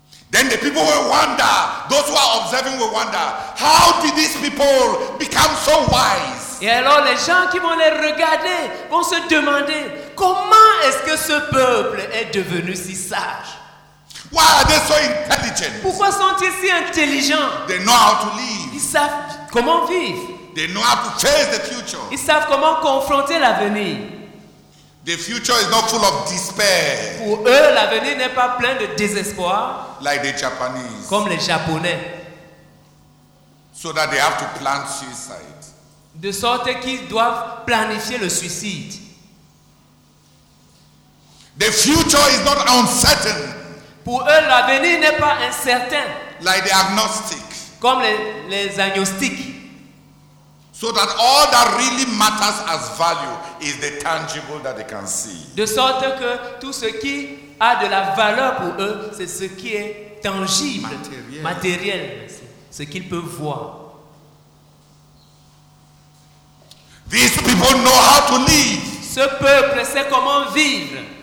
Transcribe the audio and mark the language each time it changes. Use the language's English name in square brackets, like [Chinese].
[English] Then the people will wonder, those who are observing will wonder, how did these people become so wise? [French] Et alors les gens qui vont les regarder vont se demander, comment est-ce que ce peuple est devenu si sage? [English] Why are they so intelligent? [French] Pourquoi sont-ils si intelligents? [English] They know how to live. [French] Ils savent comment vivre. [English] They know how to face the future. [French] Ils savent comment confronter l'avenir. [English] The future is not full of despair. [French] Pour eux, l'avenir n'est pas plein de désespoir. [English] Like the Japanese. [French] Comme les Japonais. [English] So that they have to plan suicide. [French] De sorte qu'ils doivent planifier le suicide. [English] The future is not uncertain. [French] Pour eux, l'avenir n'est pas incertain. [English] Like the agnostic. [French] Comme les agnostiques. [English] So that all that really matters as value is the tangible that they can see. [French] De sorte que tout ce qui a de la valeur pour eux, c'est ce qui est tangible, matériel, ce qu'ils peuvent voir. [English] These people know how to live. [French] Ce peuple sait comment vivre.